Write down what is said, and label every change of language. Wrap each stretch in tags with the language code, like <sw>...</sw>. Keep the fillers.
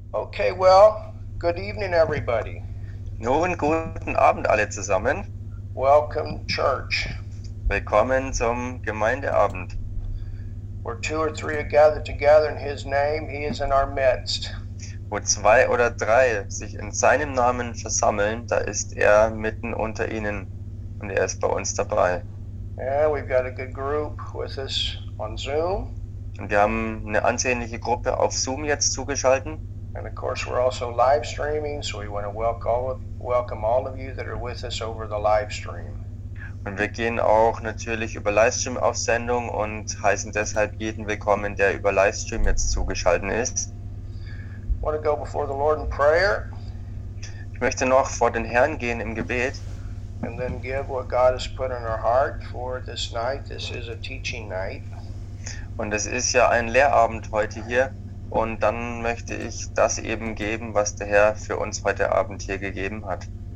<en>Okay, well, good evening, everybody.</en> <de>Nun, guten Abend alle zusammen.</de> <en>Welcome, church.</en> <de>Willkommen zum Gemeindeabend.</de> <en>Where two or three are gathered together in his name, he is in our midst.</en> <de>Wo zwei oder drei sich in seinem Namen versammeln, da ist er mitten unter ihnen und er ist bei uns dabei.</de> <en>Yeah, we've got a good group with us on Zoom.</en> <de>Und wir haben eine ansehnliche Gruppe auf Zoom jetzt zugeschaltet.</de> <en>And of course, we're also live streaming, so we want to welcome all of, welcome all of you that are with us over the live stream.</en> <de>Und wir gehen auch natürlich über Livestream auf Sendung und heißen deshalb jeden willkommen, der über Livestream jetzt zugeschaltet ist.</de> <en>Want to go before the Lord in prayer.</en> <de>Ich möchte noch vor den Herrn gehen im Gebet.</de> <en>And then give what God has put in our heart for this night. This is a teaching night.</en> <de>Und es ist ja ein Lehrabend heute hier. Mm -hmm. Und dann möchte ich das eben geben, was der Herr für uns heute Abend hier gegeben hat.</de>